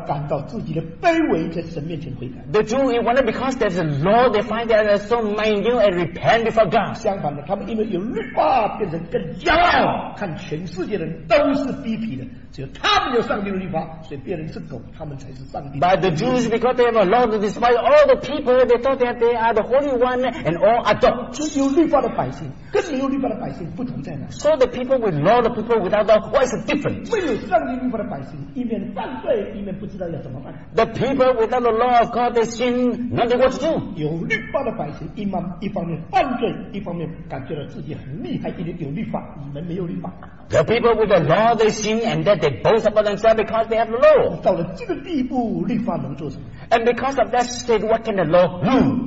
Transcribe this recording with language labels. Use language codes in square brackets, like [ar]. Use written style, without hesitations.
[zh] 犹太人不因为有了律法而感到自己的卑微在神面前悔改。 [en] The Jew, it wasn't because there's a law, they find that they are so minute and repent before God. [zh] 相反的, 他们因为有律法变成更骄傲, 看全世界的人都是卑鄙的, 只有他们有上帝的律法, 所以别人是狗, 他们才是上帝的狗。 [en] But the Jews, because they have a law to despise all the people, they thought that they are the Holy One and all are dogs. [zh] 只有律法的百姓, 跟没有律法的百姓不同在哪? [en] So the people with law, the people without law, what is the difference? [zh] 没有上帝律法的百姓, 一面犯罪, 一面不知道要怎么办? [en] The people without the law of God, they sin, nothing what to do. [zh] 有律法的百姓, 一方面犯罪, 一方面感觉到自己很厉害, 因为有律法, 你们没有律法。 [en] The people with the law, they sin, and that they boast about themselves because they have the law. [zh] 到了这个地步, [en] and because of that state, what can the law do?